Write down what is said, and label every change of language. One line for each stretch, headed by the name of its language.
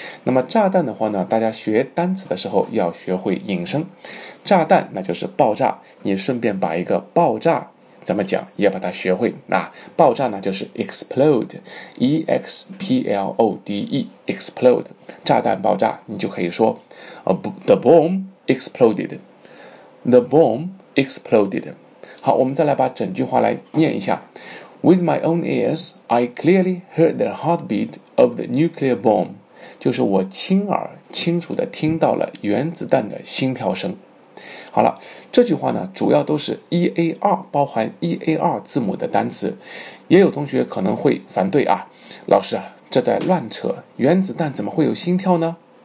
Chinese: 那么炸弹的话呢，大家学单词的时候要学会引申，炸弹那就是爆炸，你顺便把一个爆炸怎么讲也把它学会啊。爆炸呢就是 explode, E-X-P-L-O-D-E, explode, 炸弹爆炸，你就可以说
English: the bomb exploded, the bomb exploded。
Chinese: 好，我们再来把整句话来念一下。
English: With my own ears, I clearly heard the heartbeat of the nuclear bomb.
Chinese: 就是我亲耳清楚地听到了原子弹的心跳声。好了，这句话呢，主要都是 EAR, 包含 EAR 字母的单词。也有同学可能会反对啊，老师啊，这在乱扯，原子弹怎么会有心跳呢？